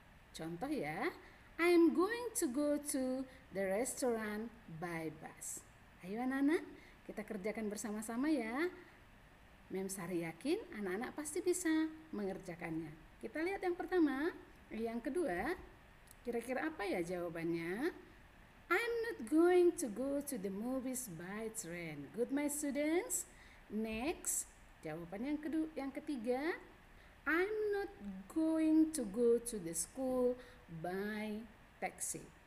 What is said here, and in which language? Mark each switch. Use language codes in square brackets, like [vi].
[id] Contoh ya, [en] I'm going to go to the restaurant by bus. [id] Ayo anak-anak, kita kerjakan bersama-sama ya. Mem Sari yakin anak-anak pasti bisa mengerjakannya. Kita lihat yang pertama. Yang kedua, kira-kira apa ya jawabannya? [en] I'm not going to go to the movies by train. Good my students. Next, [id] jawaban yang kedua, yang ketiga, [en] I'm not going to go to the school by taxi.